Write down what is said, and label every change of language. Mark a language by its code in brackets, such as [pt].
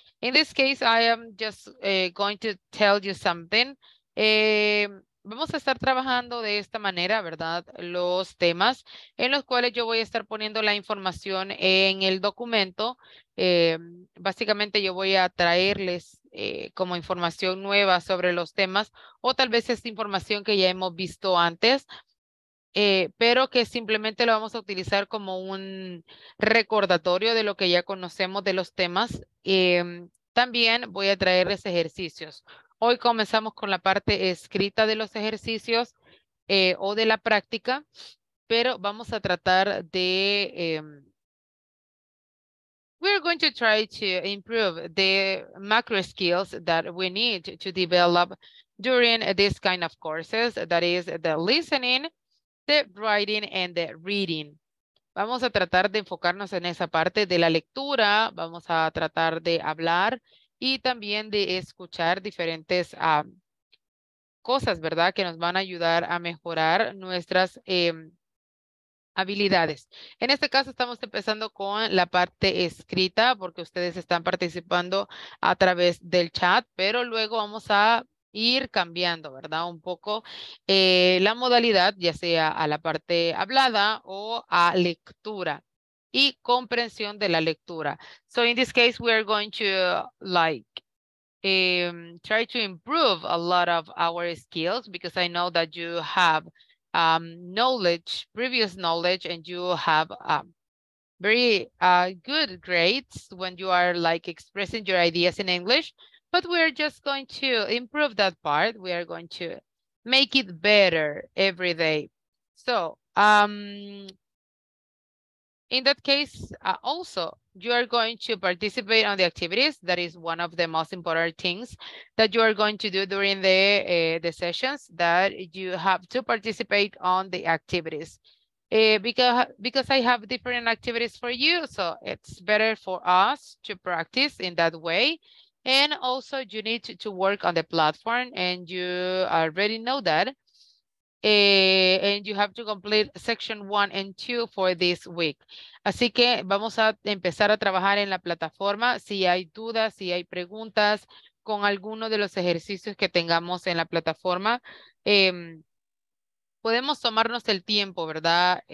[en] In this case, I am just going to tell you something. [es] Vamos a estar trabajando de esta manera, ¿verdad? Los temas en los cuales yo voy a estar poniendo la información en el documento. Básicamente yo voy a traerles como información nueva sobre los temas o tal vez es información que ya hemos visto antes. Pero que simplemente lo vamos a utilizar como un recordatorio de lo que ya conocemos de los temas. También voy a traerles ejercicios. Hoy comenzamos con la parte escrita de los ejercicios o de la práctica, pero vamos a tratar de... [en] we're going to try to improve the macro skills that we need to develop during this kind of courses, that is the listening, the writing and the reading. [es] Vamos a tratar de enfocarnos en esa parte de la lectura, vamos a tratar de hablar y también de escuchar diferentes cosas, ¿verdad? Que nos van a ayudar a mejorar nuestras habilidades. En este caso estamos empezando con la parte escrita porque ustedes están participando a través del chat, pero luego vamos a ir cambiando, ¿verdad? Un poco la modalidad, ya sea a la parte hablada o a lectura y comprensión de la lectura. [en] So in this case, we are going to like try to improve a lot of our skills because I know that you have knowledge, previous knowledge, and you have very good grades when you are like expressing your ideas in English. But we're just going to improve that part. We are going to make it better every day. So in that case, also, you are going to participate on the activities. That is one of the most important things that you are going to do during the sessions, that you have to participate on the activities. Because I have different activities for you, so it's better for us to practice in that way. And also you need to work on the platform and you already know that. And you have to complete section 1 and 2 for this week. [es] Así que vamos a empezar a trabajar en la plataforma. Si hay dudas, si hay preguntas con alguno de los ejercicios que tengamos en la plataforma, podemos tomarnos el tiempo, ¿verdad?